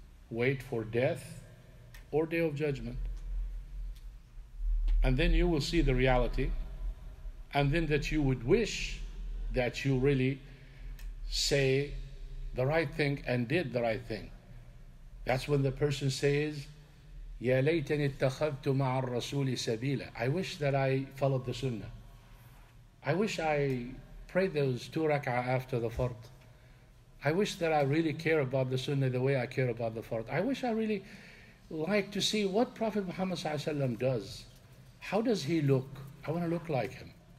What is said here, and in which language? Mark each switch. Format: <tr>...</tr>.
<en>Wait for death or day of judgment. And then you will see the reality. And then that you would wish that you really say the right thing and did the right thing. That's when the person says,</en> <ar>يَا لَيْتَنِ اتَّخَذْتُ مَعَ الرَّسُولِ سَبِيلًا.</ar> <en>I wish that I followed the sunnah. I wish I prayed those two rak'ah after the fard. I wish that I really care about the sunnah the way I care about the fard. I wish I really like to see what Prophet Muhammad Sallallahu Alaihi Wasallam does. How does he look? I want to look like him.</en>